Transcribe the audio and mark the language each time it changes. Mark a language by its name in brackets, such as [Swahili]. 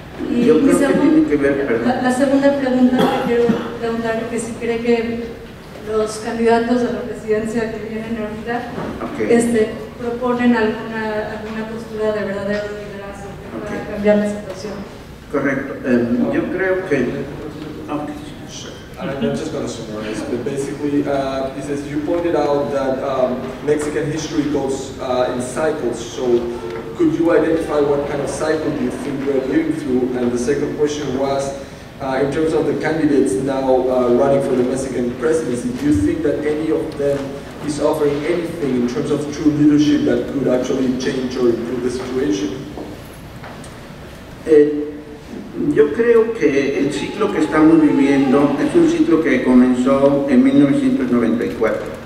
[Spanish] Y yo creo que tiene que ver, perdón. La segunda pregunta que quiero preguntar, que si cree que los candidatos a la presidencia que vienen ahorita, [English] okay, [Spanish] proponen alguna postura de verdadero liderazgo, okay, para cambiar. cambiar la situación. Correcto. Yo creo que... [English] I'm just going to summarize, but basically, he says, you pointed out that Mexican history goes in cycles, so could you identify what kind of cycle do you think we're living through? And the second question was, in terms of the candidates now running for the Mexican presidency, do you think that any of them is offering anything in terms of true leadership that could actually change or improve the situation? [Spanish] Yo creo que el ciclo que estamos viviendo es un ciclo que comenzó en 1994.